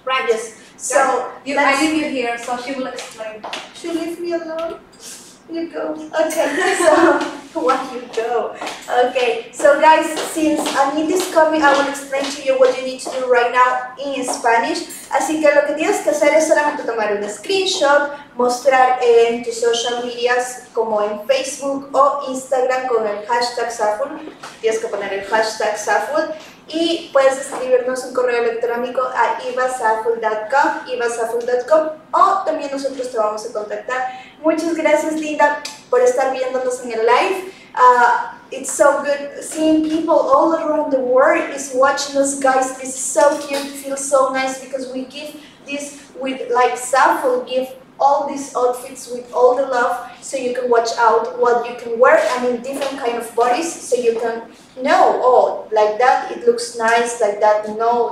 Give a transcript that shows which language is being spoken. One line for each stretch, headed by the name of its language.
English: Right. Yes. So, you, I leave you here, so she will explain. She leave me alone? You go. Okay, so, why you go? Okay, so guys, since Anit is coming, I will explain to you what you need to do right now in Spanish.
Spanish: Así que lo que tienes que hacer es solamente tomar un screenshot, mostrar en tus
English: social medias,
Spanish: como en Facebook o Instagram, con el hashtag ZAFUL. Tienes que poner el hashtag ZAFUL. Y puedes escribirnos un correo electrónico a evasaful.com o también nosotros te vamos a contactar. Muchas gracias, Linda, por estar viéndonos en el live.
English: It's so good seeing people all around the world is watching us, guys. It's so cute. It feels so nice because we give this with, like, ZAFUL give all these outfits with all the love so you can watch out what you can wear and in different kind of bodies so you can know, oh, like that it looks nice, like that, no.